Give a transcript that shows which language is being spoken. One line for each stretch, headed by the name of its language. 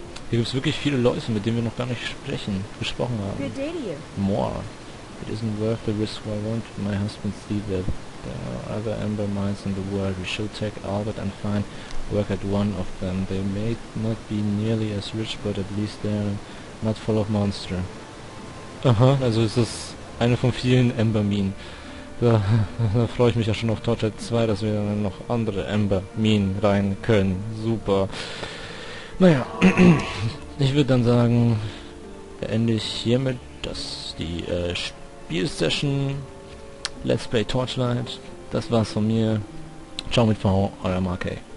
German: Hier gibt es wirklich viele Leute, mit denen wir noch gar nicht gesprochen haben.
English: Good day to you. More. It isn't worth the risk. Why won't my husband see that there are other amber mines in the world? We should take Albert and find work at one of them. They may not be nearly as rich, but at least they're not full of monsters.
German: Aha, also ist das eine von vielen Amber Minen. Da freue ich mich ja schon auf Torchlight 2, dass wir dann noch andere Amber Minen rein können. Super. Naja, ich würde dann sagen, beende ich hiermit, dass die Spielsession Let's Play Torchlight. Das war's von mir. Ciao mit V, euer Markey.